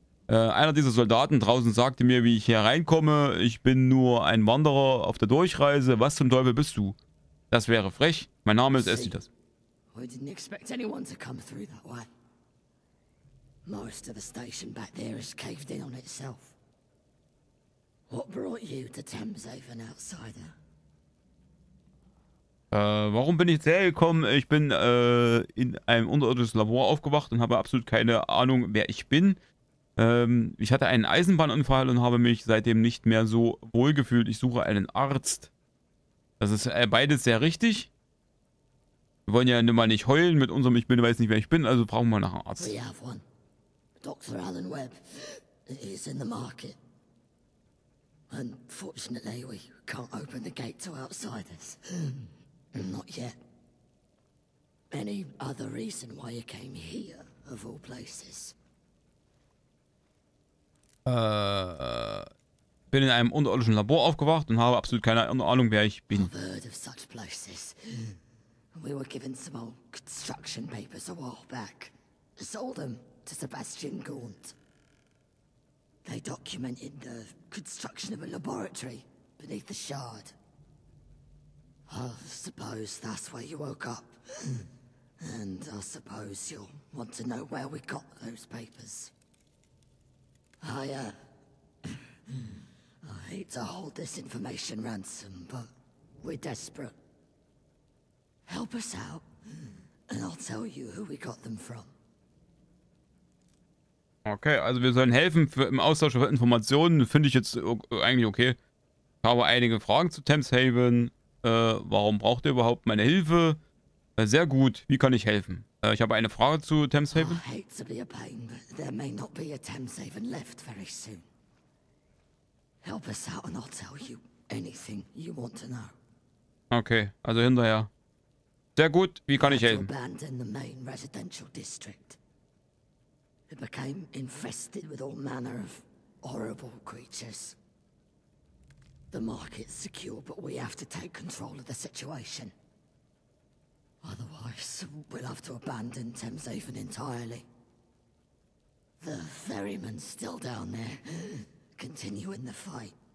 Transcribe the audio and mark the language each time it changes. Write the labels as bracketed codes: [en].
[de] Einer dieser Soldaten draußen sagte mir, wie ich hier reinkomme. Ich bin nur ein Wanderer auf der Durchreise. Was zum Teufel bist du? Das wäre frech. Mein Name ist Acetas. [en] We didn't expect anyone to come through that way. Most of the station back there is caved in on itself. What brought you to Thames Haven, outsider? [de] Warum bin ich jetzt hergekommen? Ich bin in einem unterirdischen Labor aufgewacht und habe absolut keine Ahnung, wer ich bin. Ich hatte einen Eisenbahnunfall und habe mich seitdem nicht mehr so wohl gefühlt. Ich suche einen Arzt. Das ist beides sehr richtig. Wir wollen ja nun mal nicht heulen mit unserem Ich bin, weiß nicht, wer ich bin, also brauchen wir nach einem Arzt. Wir haben einen. Dr. Alan Webb. Er ist in der Market. [en] Unfortunately, we can't open the gate to outsiders. Not yet. Any other reason why you came here, of all places? [de] Bin in einem unterirdischen Labor aufgewacht und habe absolut keine Ahnung, wer ich bin. [en] I've heard of such places. We were given some old construction papers a while back. Sold them to Sebastian Gaunt. They documented the construction of a laboratory beneath the Shard. I suppose that's where you woke up. And I suppose you'll want to know where we got those papers. I hate to hold this information ransom, but we're desperate. Help us out, and I'll tell you who we got them from. [de] Okay, also wir sollen helfen für im Austausch von Informationen. Finde ich jetzt eigentlich okay. Ich habe einige Fragen zu Thames Haven. Warum braucht ihr überhaupt meine Hilfe? Sehr gut, wie kann ich helfen? Ich habe eine Frage zu Thames Haven. Ich hasse es, aber es wird sehr bald nicht mehr Thames Haven geben. [en] Help us out and I'll tell you anything you want to know. [de] Okay, also hinterher. Sehr gut, wie kann ich helfen? Ich habe den Main Residential District verlassen. Es wurde infestiert mit [en] all manner of horrible creatures. The market's secure, but we have to take control of the situation. Otherwise, we'll have to abandon Thames Haven entirely. The ferryman's still down there, continuing the fight.